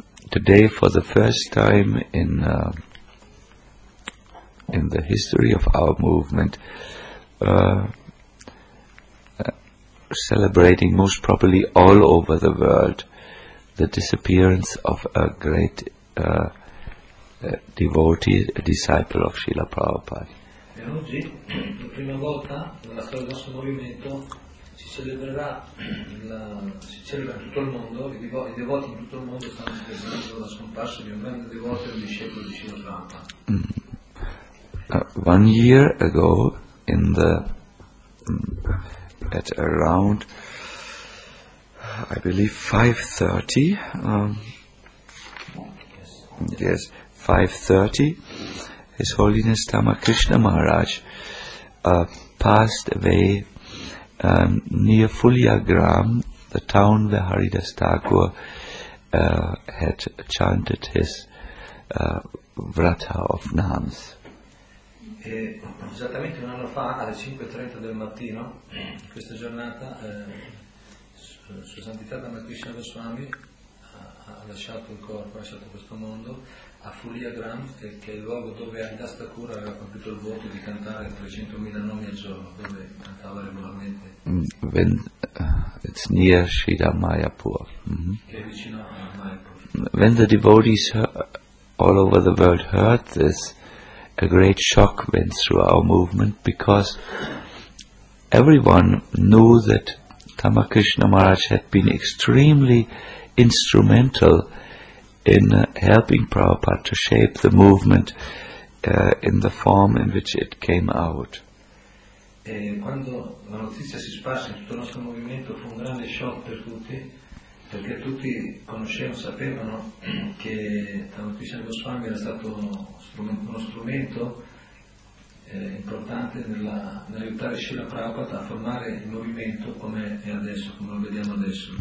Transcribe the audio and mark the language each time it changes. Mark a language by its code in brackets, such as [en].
[en] Today, for the first time in the history of our movement, celebrating most probably all over the world the disappearance of a great devotee, a disciple of Srila Prabhupada. [it] E oggi, per prima volta nella storia del nostro movimento, si celebrerà, si celebra in tutto il mondo, i devoti in tutto il mondo stanno celebrando la scomparsa di un grande devoto e un discepolo di Srila Prabhupada. [en] One year ago, in the at around, I believe 5:30. Yes, 5:30. His Holiness Dhammakrishna Maharaj passed away near Fulyagram, the town where Haridas Thakur had chanted his Vrata of Nans. [it] E esattamente un anno fa, alle 5:30 del mattino, questa giornata, Sua Santità Dhammakrishna Goswami ha lasciato il corpo, ha lasciato questo mondo, a Fulyagram, che è il luogo dove Haridas Thakura aveva compiuto il voto di cantare 300.000 nomi al giorno, dove cantava regolarmente. [en] When, it's near Shida Mayapur. [it] Mm-hmm. Che è vicino a Mayapur. [en] When the devotees all over the world heard this, a great shock went through our movement, because everyone knew that Dhammakrishna Maharaj had been extremely instrumental in helping Prabhupada to shape the movement in the form in which it came out. [it] E quando la notizia si sparse in tutto il nostro movimento fu un grande shock per tutti, perché tutti conoscevano, sapevano che Dhammakrishna Goswami era stato uno strumento importante nell'aiutare Srila Prabhupada a formare il movimento come è adesso, come lo vediamo adesso.